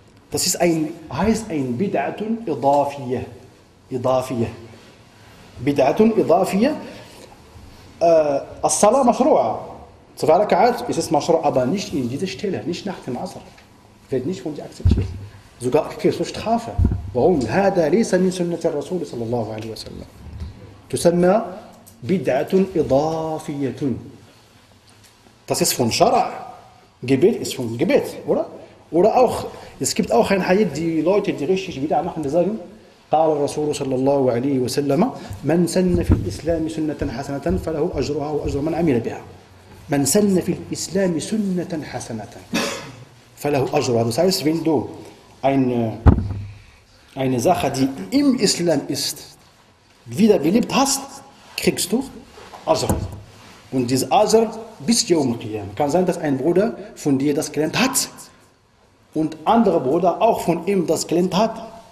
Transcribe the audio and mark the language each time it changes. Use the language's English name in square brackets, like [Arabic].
[German] Das ist heißt ein Bid'atun Idafiyah. Idafiyah. [Arabic] Bid'atun Idafiyah. As-Salah Mashru'a. [German] Zwei Rak'at ist es Mashru'a, aber nicht in dieser Stelle, nicht nach dem Asr. Wird nicht von dir akzeptiert. Sogar kriegst du Strafe. Warum? [Arabic] هذا ليس من سنة الرسول صلى الله عليه وسلم. تسمى بدعة إضافية. [German] Das ist von Schara. Gebet ist von Gebet, oder? Oder auch, es gibt auch ein Hadith, die Leute, die richtig Bid'ah machen, die sagen, [Arabic] قال الرسول صلى الله عليه وسلم من سن في الإسلام سنة حسنة فله أجرها وأجر من عمل بها. من سن في الإسلام سنة حسنة فله أجر. [German] Das heißt, wenn du eine Sache, die im Islam ist, wieder beliebt hast, kriegst du Azr. Und dieses Azr bis Yawm al-Qiyam. Kann sein, dass ein Bruder von dir das gelernt hat und andere Bruder auch von ihm das gelernt hat.